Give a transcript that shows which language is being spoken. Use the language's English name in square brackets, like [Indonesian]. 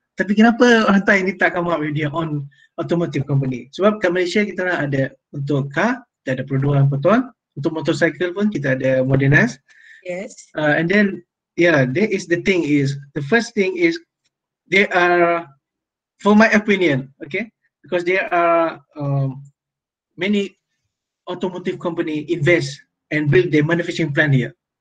[Malay] Tapi kenapa orang Thai ni tak [English] come up with their own automotive company? [Malay] Sebab kat Malaysia kita orang ada untuk car, kita ada produk betul. Untuk motorcycle pun kita ada Modenas. [English] Yes. And then, yeah, there is the thing is, the first thing is, they are, for my opinion, okay, because there are many automotive company invest and build their manufacturing plant here.